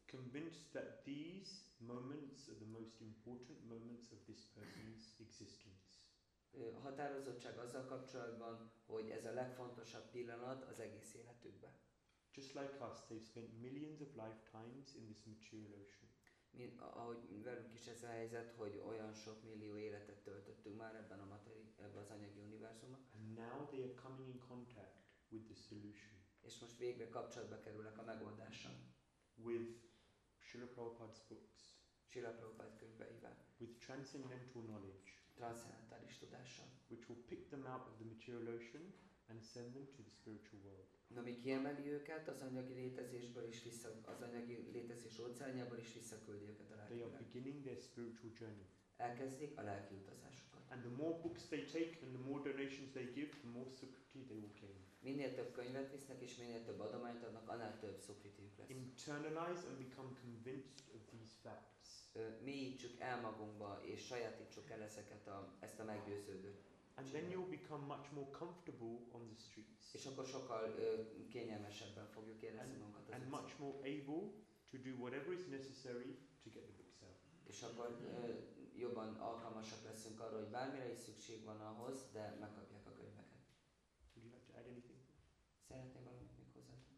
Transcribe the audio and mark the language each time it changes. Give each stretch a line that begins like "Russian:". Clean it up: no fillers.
English: Convinced that these moments are the most important moments of this person's existence.
Hungarian: Határozottság azzal kapcsolatban, hogy ez a legfontosabb pillanat az egész életükben.
English: Just like us, they've spent millions of lifetimes in this material ocean.
Hungarian: mint ahogy velünk is ez a helyzet, hogy olyan sok millió életet töltöttünk már ebben a ebben az anyagi univerzumban.
English: And now they are coming in contact with the solution.
Hungarian: És most végre kapcsolatba kerülnek a megoldással.
English: With Srila Prabhupada's books.
Hungarian: Srila Prabhupada könyveivel.
English: With transcendental knowledge.
Hungarian: Transzendentális tudással.
English: Which will pick them out of the material ocean and send them to the spiritual world.
Hungarian: Ami kiemeli őket az anyagi létezésből is vissza, az anyagi létezés óceánjából is visszaküldi őket a lelkire.
English: They are beginning their spiritual journey.
Hungarian: Elkezdik a lelki utazásukat.
English: And the more books they take and the more donations they give, the more sukriti they will gain.
Hungarian: Minél több könyvet visznek és minél több adományt adnak, annál több sukritiük lesz.
English: Internalize and become convinced of these facts.
Hungarian: Mélyítsük el magunkba és sajátítsuk el ezeket a, ezt a meggyőződőt.
English: And then you'll become much more comfortable on the streets.
Hungarian: És akkor sokkal kényelmesebben fogjuk érezni magunkat az utcán.
English: And much more able to do whatever is necessary to get the books out.
Hungarian: És akkor jobban alkalmasak leszünk arra, hogy bármire is szükség van ahhoz, de megkapják a könyveket.
English: Would you like to add anything?
Hungarian: Szeretnél valamit még hozzá?